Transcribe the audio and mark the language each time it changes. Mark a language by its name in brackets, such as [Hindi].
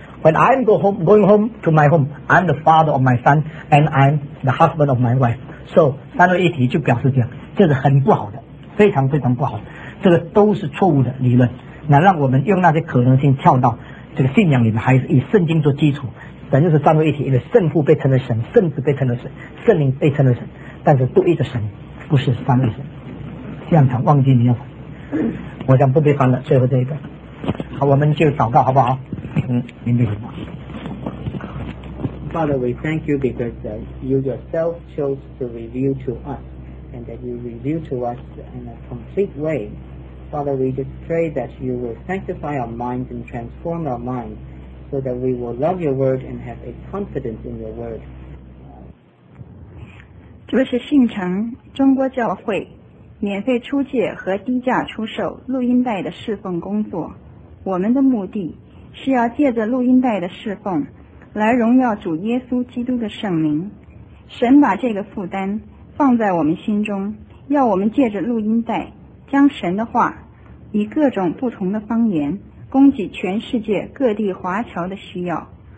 [English] When I'm going home to my home I'm the father of my son and I'm the husband of my wife。 [Chinese] So 三位一体就表示这样，这是很不好的，非常非常不好的，这个都是错误的理论。那让我们用那些可能性跳到这个信仰里面，还是以圣经做基础，等于是三位一体，因为圣父被称为神，圣子被称为神，圣灵被称为神，但是独一的神不是三位神，这样才忘记你了。我想不必翻了，最后这一个，好，我们就祷告好不好？嗯，明白什么 [English] ？Father, we thank you because you yourself chose to reveal to us, and that you reveal to us in a complete way. Father, we just pray that you will sanctify our minds and transform our minds. So that we will love your word and have a confidence in your word. [Chinese] 这是信诚中国教会免费出借和低价出售录音带的侍奉工作。我们的目的是要借着录音带的侍奉来荣耀主耶稣基督的圣名。神把这个负担放在我们心中，要我们借着录音带将神的话以各种不同的方言供给全世界各地华侨的需要。